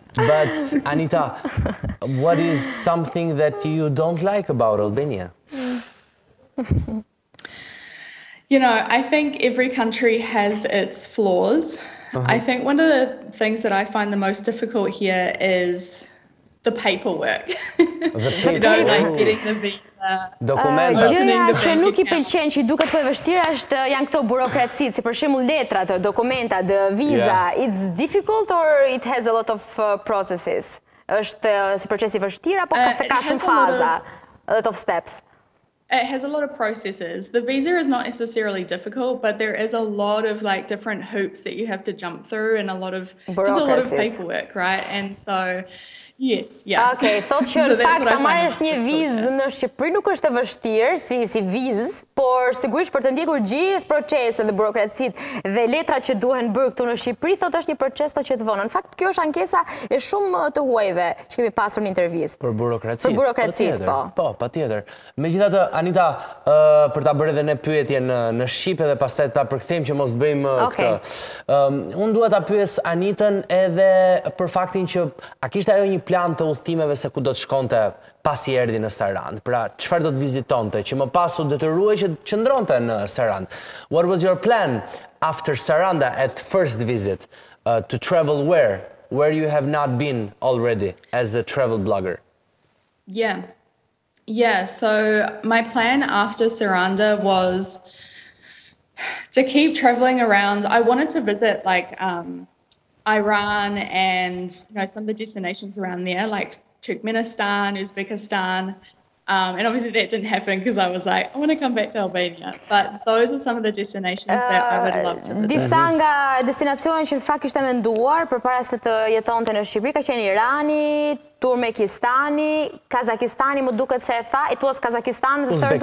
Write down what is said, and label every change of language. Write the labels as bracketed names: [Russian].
[English] But Anita, what is something that you don't like about Albania? You know, I think every country has its flaws. Uh-huh. I think one of the things that I find the most difficult here is the paperwork. The paperwork. Don't like getting the visa. [Albanian] Documenta. Gjëja që nuk i pëlqen që i duket po e vështira është janë këto burokracitë, si për shembull letrat, dokumenta, [English] the visa. Yeah. It's difficult or it has a lot of processes. [Albanian] Është si proces i vështirë apo ka se ka shumë faza? [English] A lot of steps. It has a lot of processes. The visa is not necessarily difficult, but there is a lot of like different hoops that you have to jump through and a lot of just a lot of paperwork, right? And so yes, yeah. [Albanian] Okay, thotë që në fakt ta marrësh një vizë në Shqipëri nuk është e vështirë si vizë, por sigurisht për të ndjekur gjithë procesin dhe burokracitë dhe letrat që duhen bërë këtu në Shqipëri, thotë është një proces që të vonë. Në fakt kjo është ankesa e shumë të huajve që kemi pasur në intervistë. Për burokracitë. Për burokracitë, po. Po, patjetër. Megjithatë, Anita, për ta bërë edhe ne pyetjen në shqip edhe pastaj ta përkthejmë që mos bëjmë këtë. Un dua ta pyes Anitën edhe për faktin që a kishte ajo një plan të udhëtimeve se ku do të shkonte pasi erdhi në Sarand. Pra, çfarë do të vizitonte që më pas u detyruaj që qëndronte në Sarand? [English] What was your plan after Sarand at first visit to travel where you have not been already as a travel blogger? Yeah, so my plan after Sarand was to keep traveling around. I wanted to visit like Iran and, you know, some of the destinations around there, like Turkmenistan, Uzbekistan. And obviously that didn't happen because I was like, I want to come back to Albania. But those are some of the destinations that I would love to visit. [Albanian] Disa nga destinacionet që në fakt ishte menduar për para se të jetonte në Shqipëri, ka qenë Irani, Turmekistani, Kazakistani, më duket se e tha, [English] it was Kazakistan, the third